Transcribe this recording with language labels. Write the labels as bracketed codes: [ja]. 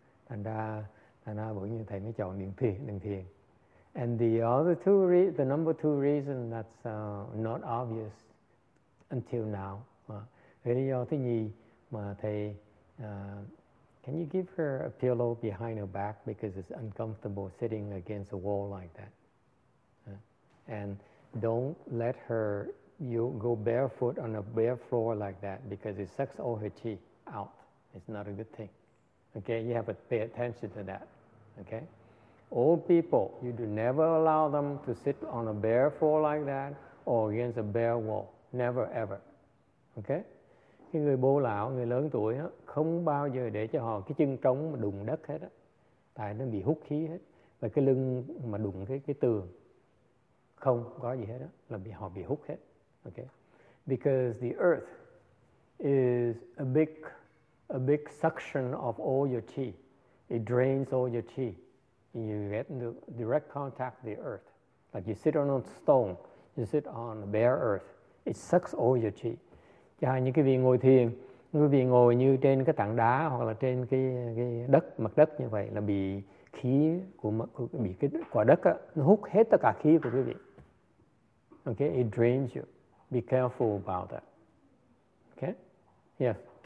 [vi] Thành ra bởi như thầy mới chọn đường thiền. [en] And the number two reason that's not obvious until now. [vi] Lý do thứ nhì mà thầy, [en] can you give her a pillow behind her back because it's uncomfortable sitting against a wall like that. And don't let her go barefoot on a bare floor like that because it sucks all her chi out. It's not a good thing. Okay, you have to pay attention to that. Okay, old people, you do never allow them to sit on a bare floor like that or against a bare wall. Never ever. [vi] Okay, cái người bô lão, người lớn tuổi đó, không bao giờ để cho họ cái chân trống mà đụng đất hết á, tại nó bị hút khí hết, và cái lưng mà đụng cái tường không có gì hết á, là bị họ bị hút hết. [en] Okay, because the earth is a big suction of all your chi. It drains all your chi. You get into direct contact with the earth. Like you sit on a stone, you sit on bare earth. It sucks all your chi. [vi] Chẳng hạn như cái vị ngồi thiền, cái vị ngồi như trên cái tảng đá hoặc là trên cái đất, mặt đất như vậy, là bị khí của bị cái quả đất á, nó hút hết tất cả khí của quý vị. [en] Okay, it drains you. Be careful about that. Okay? Yes.